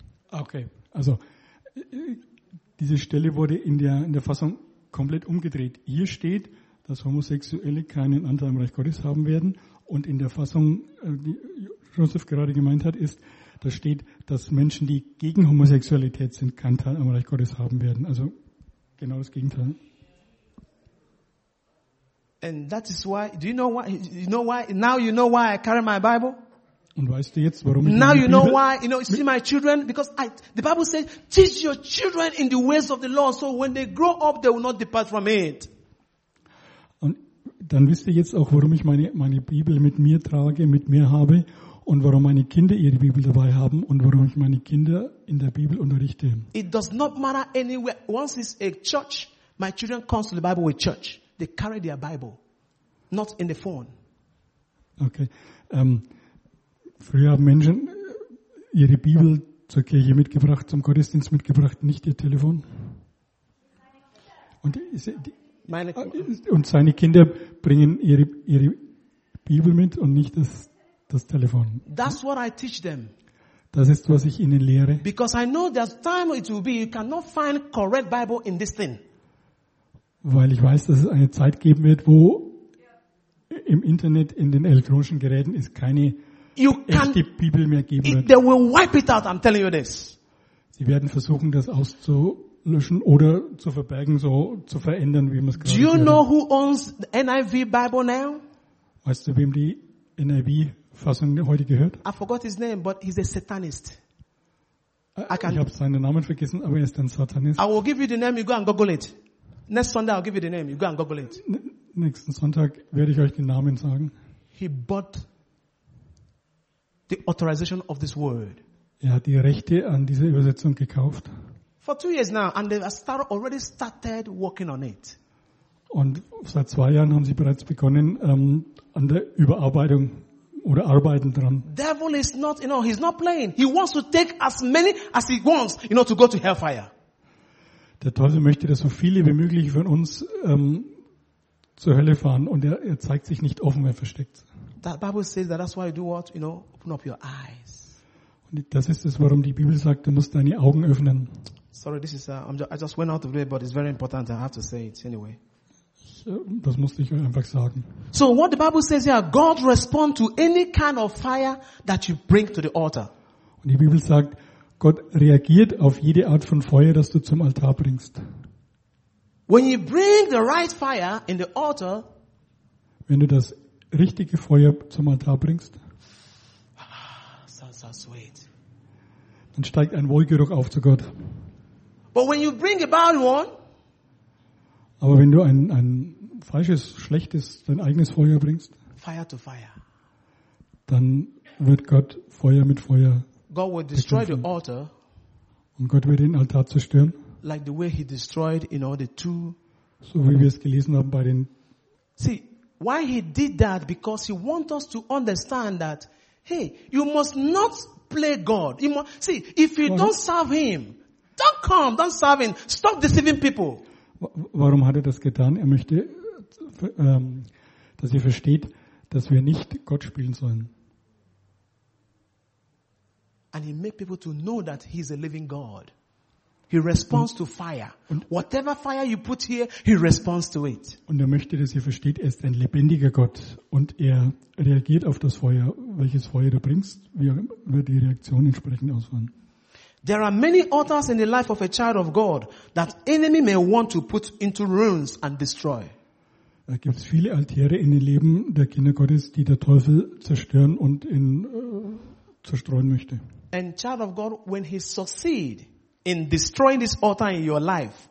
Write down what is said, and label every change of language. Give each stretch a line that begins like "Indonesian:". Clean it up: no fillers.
German: Okay, also diese Stelle wurde in der Fassung komplett umgedreht. Hier steht, dass Homosexuelle keinen Anteil am Reich Gottes haben werden. Und in der Fassung, die Joseph gerade gemeint hat, ist, da steht, dass Menschen, die gegen Homosexualität sind, keinen Teil am Reich Gottes haben werden. Also genau das Gegenteil.
English: And that is why, do you know why? You know why? Now you know why I carry my Bible?
German: Und weißt du jetzt, warum ich
English: now you know why, you know, you see my children? Because the Bible says, teach your children in the ways of the Lord, so when they grow up, they will not depart from it.
German: Dann wisst ihr jetzt auch, warum ich meine Bibel mit mir trage, mit mir habe, und warum meine Kinder ihre Bibel dabei haben und warum ich meine Kinder in der Bibel unterrichte.
English: It does not matter anywhere. Once it's a church, my children come to the Bible with church. They carry their Bible, not in the phone. Okay.
German: Früher haben Menschen ihre Bibel zur Kirche mitgebracht, zum Gottesdienst mitgebracht, nicht ihr Telefon. Und seine Kinder bringen ihre Bibel mit und nicht das Telefon.
English: That's what I teach them.
German: Das ist, was ich Ihnen lehre.
English: Because I know there's time it will be you cannot find correct Bible in this thing.
German: Weil ich weiß, dass es eine Zeit geben wird, wo im Internet, in den elektronischen Geräten es keine echte Bibel mehr geben wird.
English: They will wipe it out, I'm telling you this.
German: Sie werden versuchen, das auszulöschen oder zu verbergen, so zu verändern, wie man es gerade
English: Do you
German: hören.
English: Know who owns the NIV Bible now?
German: Weißt du, wem die NIV Fassung heute gehört?
English: I forgot his name, but he's a Satanist.
German: Ich habe seinen Namen vergessen, aber er ist ein Satanist.
English: I will give you the name, you go and google it. Next Sunday I'll give you the name, you go and google it.
German: Nächsten Sonntag werde ich euch den Namen sagen.
English: He bought the authorization of this word.
German: Er hat die Rechte an dieser Übersetzung gekauft.
English: For 2 years now, and they have already started working on it.
German: Und seit 2 Jahren haben sie bereits begonnen an der Überarbeitung oder arbeiten dran.
English: Devil is not, you know, he's not playing. He wants to take as many as he wants, you know, to go to hellfire.
German: Der Teufel möchte, dass so viele wie möglich von uns zur Hölle fahren, und er zeigt sich nicht offen, er versteckt.
English: That Bible says that that's why you do what, you know, open up your eyes.
German: Und das ist es, warum die Bibel sagt, du musst deine Augen öffnen.
English: Sorry, this is I just went out of it, but it's very important. I have to say it anyway.
German: Das musste ich euch einfach sagen.
English: So what the Bible says here, God responds to any kind of fire that you bring to the altar.
German: Und die Bibel sagt, Gott reagiert auf jede Art von Feuer, das du zum Altar bringst.
English: When you bring the right fire in the altar,
German: wenn du das richtige Feuer zum Altar bringst,
English: so sweet.
German: Dann steigt ein Wohlgeruch auf zu Gott.
English: But when you bring a bad one,
German: aber wenn du ein falsches, schlechtes, dein eigenes Feuer bringst,
English: fire to fire,
German: dann wird Gott Feuer mit Feuer
English: God will destroy
German: bekämpfen.
English: The altar,
German: und Gott wird den Altar zerstören,
English: like the way he destroyed, you know, the two.
German: So wie wir es gelesen haben bei den.
English: See, why he did that? Because he wants us to understand that, hey, you must not play God. See, if you don't serve him, don't come, don't serve him. Stop deceiving people.
German: Warum hat er das getan? Er möchte, dass ihr versteht, dass wir nicht Gott spielen sollen.
English: And he made people to know that he's a living God. He responds to fire. Whatever fire you put here, he responds to it.
German: Und er möchte, dass ihr versteht, er ist ein lebendiger Gott und er reagiert auf das Feuer, welches Feuer du bringst, wird die Reaktion entsprechend ausfallen.
English: There are many altars in the life of a child of God that enemy may want to put into ruins and destroy.
German: Da gibt es viele Altäre in dem Leben der Kinder Gottes, die der Teufel zerstören und in zerstreuen möchte.
English: And child of God, when he succeed in destroying this altar in your life,